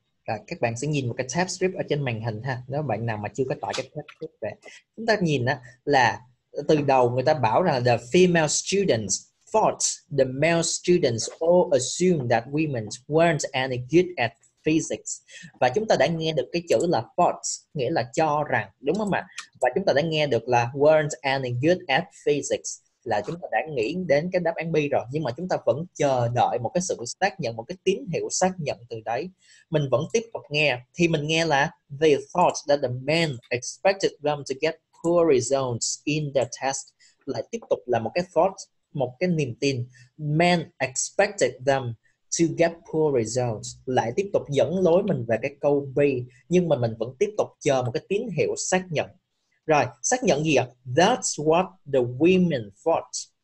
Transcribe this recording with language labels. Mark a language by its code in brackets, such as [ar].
[vi] À, các bạn sẽ nhìn một cái tab strip ở trên màn hình ha. Nếu bạn nào mà chưa có tải cái tab strip về, chúng ta nhìn á là từ đầu người ta bảo rằng là [en] the female students thought the male students all assumed that women weren't any good at physics. [vi] Và chúng ta đã nghe được cái chữ là thought, nghĩa là cho rằng, đúng không ạ? Và chúng ta đã nghe được là [en] weren't any good at physics, [vi] là chúng ta đã nghĩ đến cái đáp án B rồi. Nhưng mà chúng ta vẫn chờ đợi một cái sự xác nhận, một cái tín hiệu xác nhận từ đấy. Mình vẫn tiếp tục nghe. Thì mình nghe là [en] they thought that the men expected them to get poor results in their test. [vi] Lại tiếp tục là một cái thought, một cái niềm tin. [en] Men expected them to get poor results. [vi] Lại tiếp tục dẫn lối mình về cái câu B. Nhưng mà mình vẫn tiếp tục chờ một cái tín hiệu xác nhận. Rồi, xác nhận gì ạ? [en] That's what the women thought.